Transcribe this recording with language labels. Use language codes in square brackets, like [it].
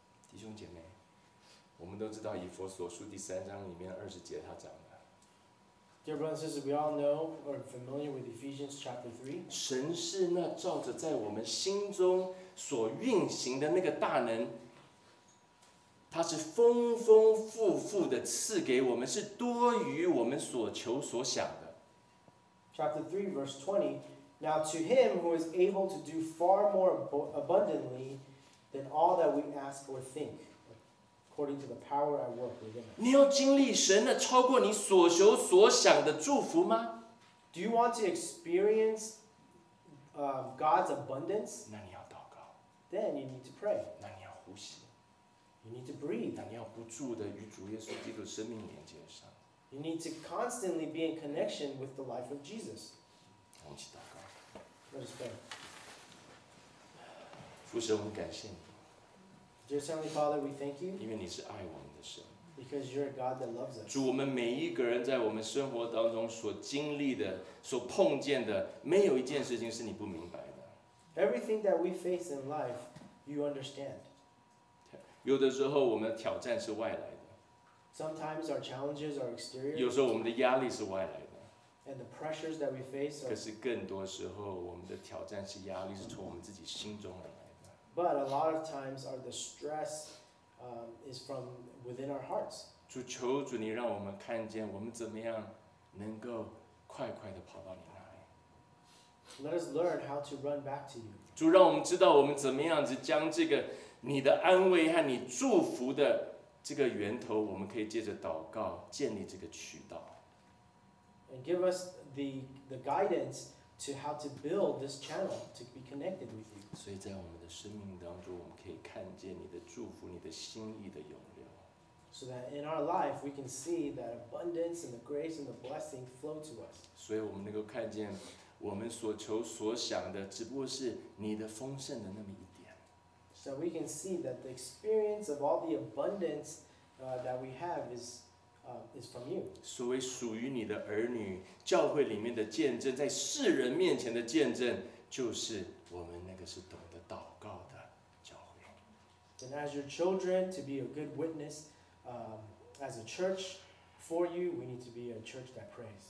[zh] 弟兄姐妹，我们都知道以弗所书第三章里面二十节他讲的。 [en] Dear brothers and sisters, we all know or are familiar with Ephesians chapter 3. [zh] 神是那照着在我们心中所运行的那个大能，他是丰丰富富的赐给我们，是多于我们所求所想的。 [en] Chapter 3, verse 20. Now to him who is able to do far more abundantly than all that we ask or think, according to the power at work within us. [zh] 你要经历神的超过你所求所想的祝福吗？ [en] Do you want to experience God's abundance? [zh] 那你要祷告。 [en] Then you need to pray. [zh] 那你要呼吸。 [en] You need to breathe. [zh] 那你要不住的与主耶稣基督生命连接上。 [en] You need to constantly be in connection with the life of Jesus. [zh] 我们起祷告。 [en] Let us pray. [zh] 父神，我们感谢你。 [en] Dear Heavenly Father, we thank you. [zh] 因为你是爱我们的神。 [en] Because you're a God that loves us. [zh] 主，我们每一个人在我们生活当中所经历的、所碰见的，没有一件事情是你不明白的。 [en] Everything that we face in life, you understand. [zh] 有的时候，我们的挑战是外来的。 [en] Sometimes our challenges are exterior. [zh] 有时候我们的压力是外来的。 [en] And the pressures that we face. [zh] 可是更多时候，我们的挑战是压力，是从我们自己心中而来的。 [en] But a lot of times, our stress is from within our hearts. [zh] 主，求主你让我们看见我们怎么样能够快快的跑到你那里。 [en] Let us learn how to run back to you. [zh] 主，让我们知道我们怎么样子将这个你的安慰和你祝福的。这个源头我们可以借着祷告建立这个渠道。 [en] And give us the guidance to how to build this channel to be connected with you. [zh] 所以在我们的生命当中我们可以看见你的祝福你的心意的涌流。 [en] So that in our life we can see that abundance and the grace and the blessing flow to us. [zh] 所以我们能够看见我们所求所想的只不过是你的丰盛的那么一点。 [en] So we can see that the experience of all the abundance that we have is from you. [zh] 所谓属于你的儿女，教会里面的见证，在世人面前的见证，就是我们那个是懂得祷告的教会。 [en] And as your children, to be a good witness, as a church for you, we need to be a church that prays.